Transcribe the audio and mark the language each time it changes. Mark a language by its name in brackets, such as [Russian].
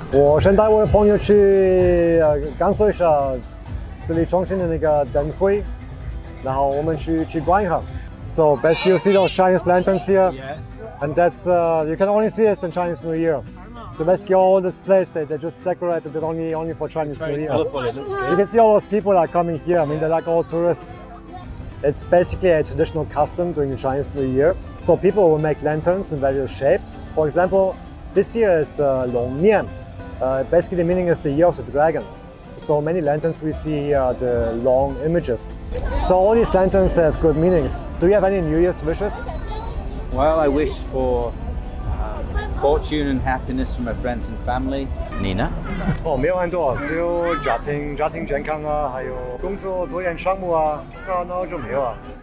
[Chinese] 我先带我的朋友去感受一下这里重庆的那个灯会，然后我们去逛一下。 [English] So basically, you see those Chinese lanterns here, and that's you can only see this in Chinese New Year. So basically, all this place they just decorated it only for Chinese New Year. You can see all those people are coming here. I mean, they're like all tourists. It's basically a traditional custom during the Chinese New Year. So people will make lanterns in various shapes. For example, this year is Long Nian. Basically, the meaning is the year of the dragon. So many lanterns we see here are the long images. So all these lanterns have good meanings. Do you have any New Year's wishes? Well, I wish for fortune and happiness for my friends and family. Nina? [Chinese] Oh, 没有很多，只有家庭健康啊，还有工作多元项目啊，那就没有了。